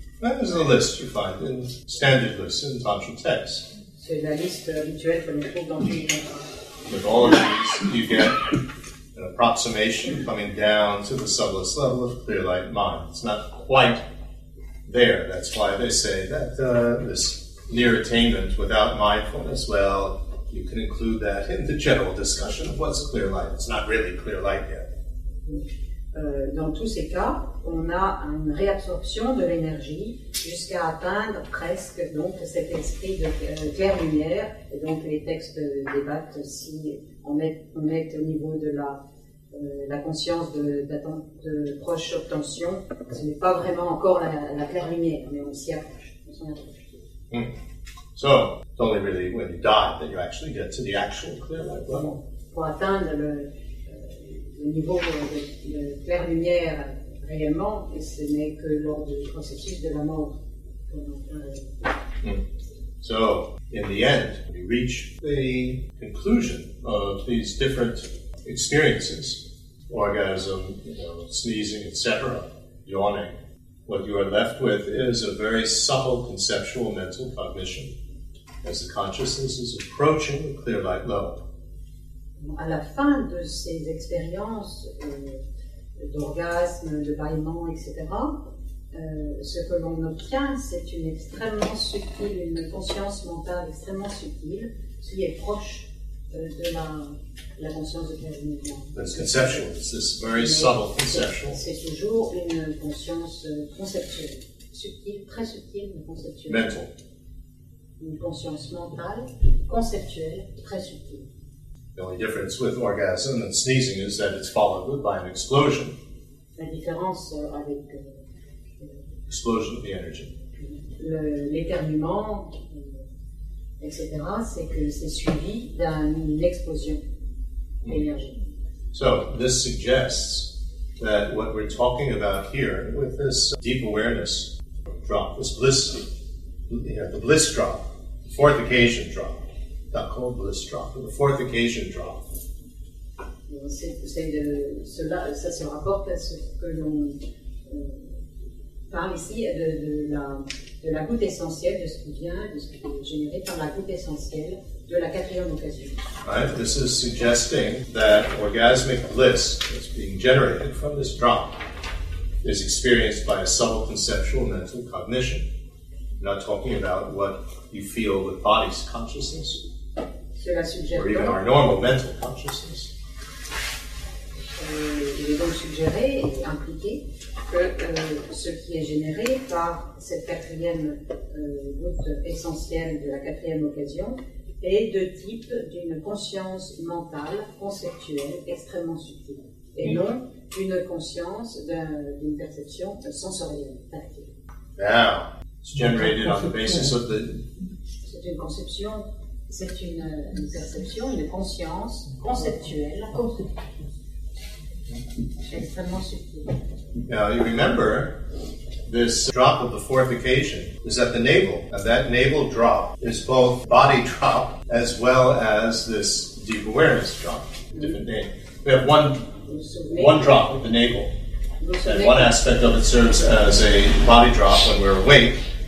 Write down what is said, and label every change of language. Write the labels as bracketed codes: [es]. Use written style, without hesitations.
[en] That is the list you find in standard lists in tantra texts. [fr] C'est la liste habituelle que l'on trouve dans tous les tantras. [en] With all of these, you get an approximation coming down to the subtlest level of clear light mind. It's not quite there. That's why they say that this near attainment without mindfulness, well, you can include that in the general discussion of what's clear light. It's not really clear light yet. [fr] Dans tous ces cas, on a une réabsorption de l'énergie jusqu'à atteindre presque donc cet esprit de claire lumière. Et donc les textes débattent si on est au niveau de la conscience de proche obtention. Ce n'est pas vraiment encore la claire lumière, mais on s'y approche. [en] So, it's only really when you die that you actually get to the actual clear light level. [fr] Pour atteindre le niveau de claire lumière réellement, et ce n'est que lors du processus de la mort. [en] So, in the end, we reach the conclusion of these different experiences, orgasm, sneezing, etc., yawning. What you are left with is a very subtle conceptual mental cognition as the consciousness is approaching the clear light level. [fr] À la fin de ces expériences d'orgasme, de bâillement, etc., ce que l'on obtient, c'est une extrêmement subtile, une conscience mentale extrêmement subtile, qui est proche de la conscience de clair-lumière. [en] It's conceptual. It's this very subtle conceptual. [fr] C'est toujours une conscience conceptuelle, subtile, très subtile, mais conceptuelle. [en] Mental. [fr] Une conscience mentale, conceptuelle, très subtile. [en] The only difference with orgasm and sneezing is that it's followed by an explosion. [fr] La différence avec [en] explosion of the energy. [fr] L'éternuement, etc., c'est que c'est suivi d'une explosion d'énergie. Mm. [en] So this suggests that what we're talking about here with this deep awareness drop, this bliss, the bliss drop, the fourth occasion drop, not called bliss drop, but the fourth occasion drop. [fr] C'est de cela, ça se rapporte à ce que l'on parle ici de la goutte essentielle, de ce qui vient, de ce qui est généré par la goutte essentielle de la quatrième occasion. [en] Right, this is suggesting that orgasmic bliss that's being generated from this drop is experienced by a subtle conceptual mental cognition. I'm not talking about what you feel with body's consciousness. [fr] Cela suggère [en] or even our normal mental consciousness. [fr] Il est donc suggéré et impliqué que ce qui est généré par cette quatrième goutte essentielle de la quatrième occasion est de type d'une conscience mentale conceptuelle extrêmement subtile et non une conscience d'une perception sensorielle tactile. [en] Now, it's generated on the basis of the. [fr] C'est une conception. C'est une perception, une conscience conceptuelle extrêmement subtile. [en] Now, you remember this drop of the fourth occasion is at the navel. And that navel drop is both body drop as well as this deep awareness drop. Different name. We have one drop of the navel. And one aspect of it serves as a body drop when we're awake.